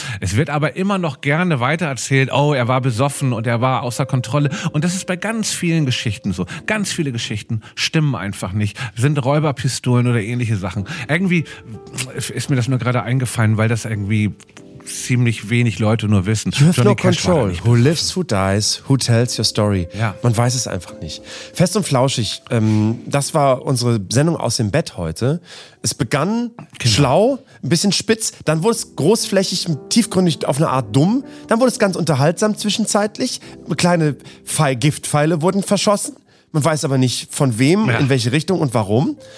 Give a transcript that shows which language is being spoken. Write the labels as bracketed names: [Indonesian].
[German] Es wird aber immer noch gerne weitererzählt, oh, er war besoffen und er war außer Kontrolle. Und das ist bei ganz vielen Geschichten so. Ganz viele Geschichten stimmen einfach nicht, sind Räuberpistolen oder ähnliche Sachen. Irgendwie ist mir das nur gerade eingefallen, weil das irgendwie ziemlich wenig Leute nur wissen. [English] You have no control. Who lives, who dies, who tells your story. [German] Ja. Man weiß es einfach nicht. Fest und flauschig, das war unsere Sendung aus dem Bett heute. Es begann schlau, ein bisschen spitz, dann wurde es großflächig, tiefgründig auf eine Art dumm, dann wurde es ganz unterhaltsam zwischenzeitlich. Kleine Giftpfeile wurden verschossen. Man weiß aber nicht von wem, ja, in welche Richtung und warum.